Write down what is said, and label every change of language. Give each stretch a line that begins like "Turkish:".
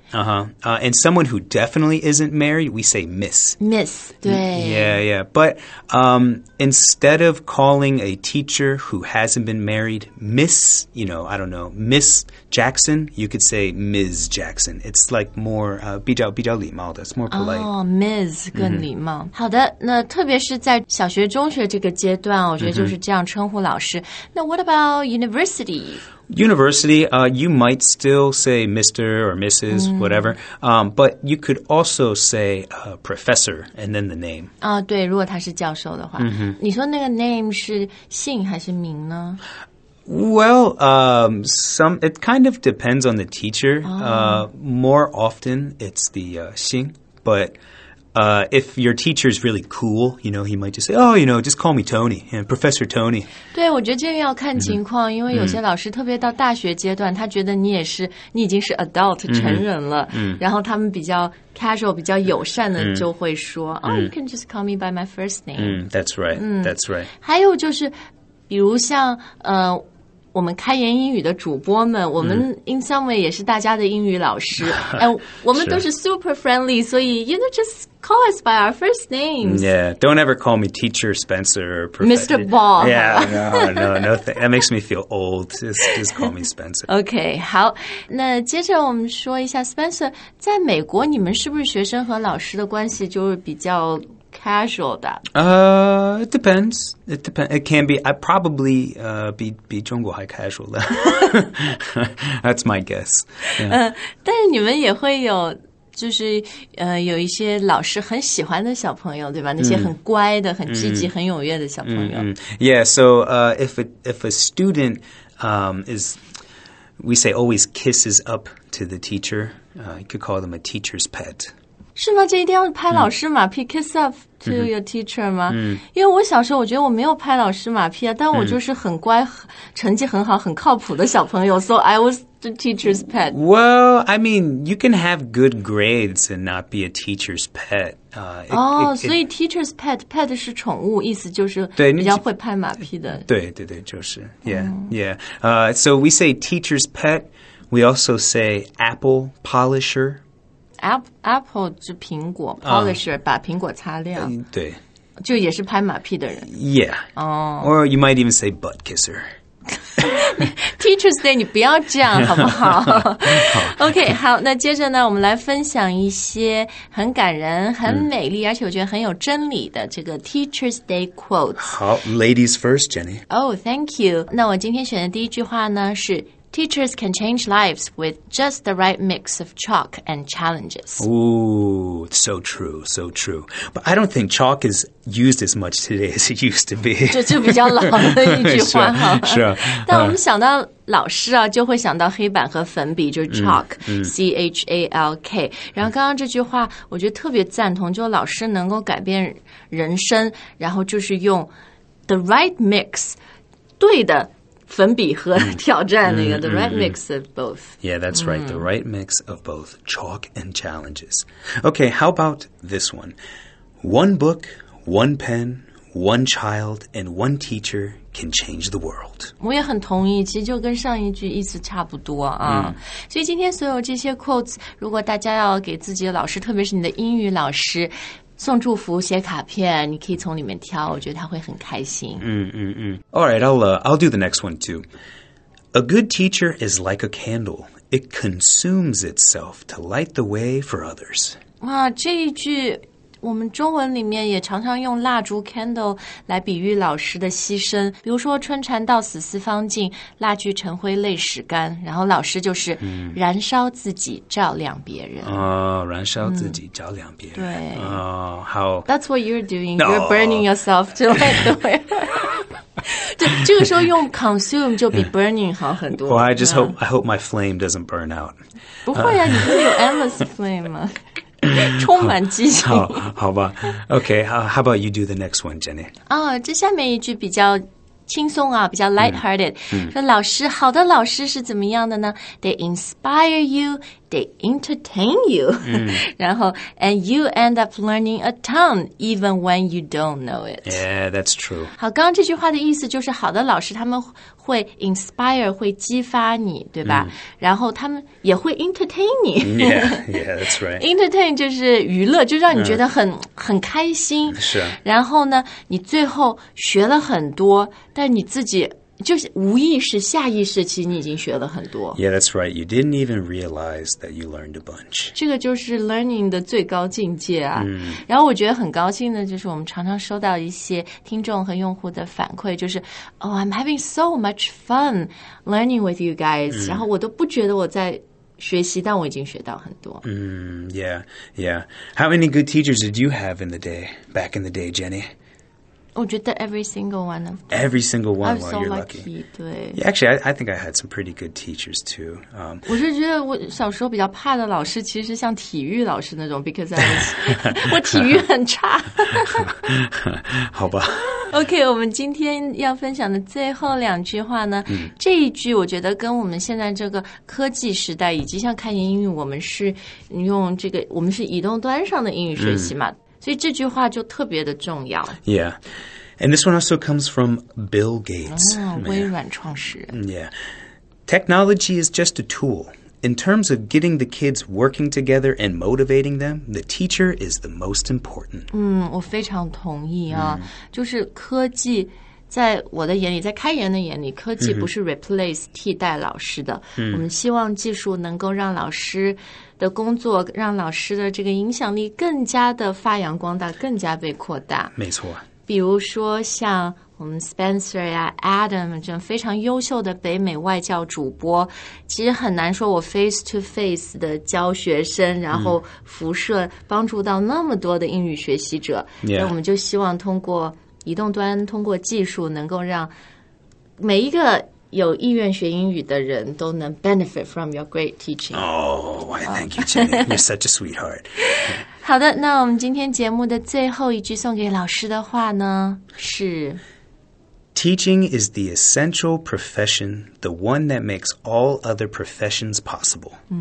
English: And someone who definitely isn't married, we say Miss.
Chinese: Miss, 对。
English: Yeah. But instead of calling a teacher who hasn't been married Miss, you know, I don't know, Miss Jackson, you could say Ms. Jackson. It's like more,
Chinese: 比较礼貌的,
English: it's more polite.
Chinese: Oh, Ms. 更礼貌。好的，那特别是在小学、中学这个阶段，我觉得就是这样称呼老师。那
English: what about university? University, you might still say Mr. or Mrs., whatever, but you could also say professor and then the name.
Chinese: 对，如果他是教授的话。你说那个 name 是姓还是名呢？
English: Well, it kind of depends on the teacher. More often, it's the 姓, but... if your teacher is really cool, you know, he might just say, oh, you know, just call me Tony, you know, Professor Tony.
Chinese: 对，我觉得这个要看情况，因为有些老师特别到大学阶段，他觉得你也是，你已经是 adult, 成人了，然后他们比较 casual, 比较友善的就会说
English: oh, you can just call me by my first name. That's right, that's right.
Chinese: 还有就是，比如像我们开言英语的主播们，我们
English: in some way
Chinese: 也是大家的英语老师，我们都是
English: super friendly,
Chinese: 所以
English: you know, just call us by our first names. Yeah, don't ever call me Teacher Spencer or Mr. Ball. Yeah, no, that makes me feel old. Just call me Spencer.
Chinese: Okay, 好，那接着我们说一下 Spencer, 在美国你们是不是学生和老师的关系就是比较casual 的
English: It depends. It depends. It can be. I probably be
Chinese: 中国还 casual 的
English: That's my guess.
Chinese: 但是你们也会有，就是有一些老师很喜欢的小朋友，对吧？那些很乖的、很积极、很踊跃的小朋友。
English: Yeah. So if a student is, we say always kisses up to the teacher. You could call them a teacher's pet.
Chinese: 是吗？这一定要拍老师马屁、
English: kiss up to your teacher
Chinese: 吗？因为我小时候我觉得我没有拍老师马屁啊，但我就是很乖、成绩很好、很靠谱的小朋友。
English: So I was the teacher's pet. Well, I mean, you can have good grades and not be a teacher's pet.
Chinese: 所以 teacher's pet 是宠物，意思就是比较会拍马屁的。对，就是
English: yeah. So we say teacher's pet. We also say apple polisher.
Chinese: Apple 就苹果 polisher 把苹果擦亮，对，就也是拍马屁的人。
English: Yeah. Oh. Or you might even say butt kisser.
Chinese: Teacher's Day, 你不要这样好不好？好。 OK, 好，那接着呢，我们来分享一些很感人、很美丽，而且我觉得很有真理的这个 Teacher's Day quotes. 好
English: ladies first, Jenny. Oh, thank you.
Chinese: 那我今天选的第一句话呢是。
English: Teachers can change lives with just the right mix of chalk and challenges. Ooh, so true, so true. But I don't think chalk is used as much today as it used to be.
Chinese: 就比较老的一句话哈。是啊。但我们想到老师啊，就会想到黑板和粉笔，就是 chalk, C-H-A-L-K. 然后刚刚这句话，我觉得特别赞同，就老师能够改变人生，然后就是用
English: the right mix,
Chinese: 对的。粉笔和挑战那个
English: the right mix of both. Yeah, that's right. The right mix of both chalk and challenges. Okay, how about this one? One book, one pen, one child, and one teacher can change the world.
Chinese: 我也很同意，其实就跟上一句意思差不多啊。所以今天所有这些 quotes, 如果大家要给自己的老师，特别是你的英语老师。送祝福写卡片你可以从里面挑我觉得他会很开心。
English: All right, I'll do the next one too. A good teacher is like a candle. It consumes itself to light the way for others.
Chinese: 哇这一句我们中文里面也常常用蜡烛 candle 来比喻老师的牺牲。比如说春蚕到死丝方尽蜡炬成灰泪始干然后老师就是燃烧自己照亮别人。燃烧自己照亮别人。对。好。
English: That's what you're doing. You're burning yourself to light the way.
Chinese: 这个时候用 consume 就比 burning 好很多。
English: Well, I hope my flame doesn't burn out.
Chinese: 不会啊你不是有
English: endless flame
Chinese: 吗充满激情好好吧
English: Okay, how about you do the next one, Jenny?
Chinese: 这下面一句比较轻松啊比较 lighthearted 说老师好的老师是怎么样的呢
English: They inspire you, they entertain you 然后 And you end up learning a ton even when you don't know it Yeah, that's true
Chinese: 好刚刚这句话的意思就是好的老师他们会 inspire, 会激发你对吧然后他们也会 entertain 你
English: yeah, that's right
Chinese: Entertain 就是娱乐就让你觉得很开心是然后呢你最后学了很多但你自己就是无意识下意识其实你已经学了很多
English: Yeah, that's right You didn't even realize that you learned a bunch
Chinese: 这个就是 learning 的最高境界啊然后我觉得很高兴的就是我们常常收到一些听众和用户的反馈就是
English: Oh, I'm having so much fun learning with you guys
Chinese: 然后我都不觉得我在学习但我已经学到很多
English: Yeah How many good teachers did you have in the day back in the day, Jenny?
Chinese: 我觉得
English: every single one of them. Every single one, so you're lucky.
Chinese: 对
English: yeah, actually, I think I had some pretty good teachers, too.
Chinese: 我是觉得我小时候比较怕的老师其实像体育老师那种
English: because I was,
Chinese: 我体育很差。好吧。 OK, 我们今天要分享的最后两句话呢这一句我觉得跟我们现在这个科技时代以及像开言英语我们是用这个我们是移动端上的英语学习嘛。所以这句话就特别的重要。
English: Yeah. And this one also comes from Bill Gates.
Chinese: Oh, 微软创始人。
English: Yeah. Technology is just a tool. In terms of getting the kids working together and motivating them, the teacher is the most important.
Chinese: 我非常同意啊。就是科技在我的眼里，在开言的眼里，科技不是 replace 替代老师的。我们希望技术能够让老师的工作，让老师的这个影响力更加的发扬光大，更加被扩大。没错。比如说像我们 Spencer 呀 Adam 这样非常优秀的北美外教主播，其实很难说我
English: face to face
Chinese: 的教学生，然后辐射帮助到那么多的英语学习者。那我们就希望通过移动端，通过技术，能够让每一个有意愿学英语的人都能
English: benefit from your great teaching. Oh, why, thank you, Jenny. You're such a sweetheart.
Chinese: 好的，那我们今天节目的最后一句送给老师的话呢，是
English: Teaching is the essential profession, the one that makes all other professions possible.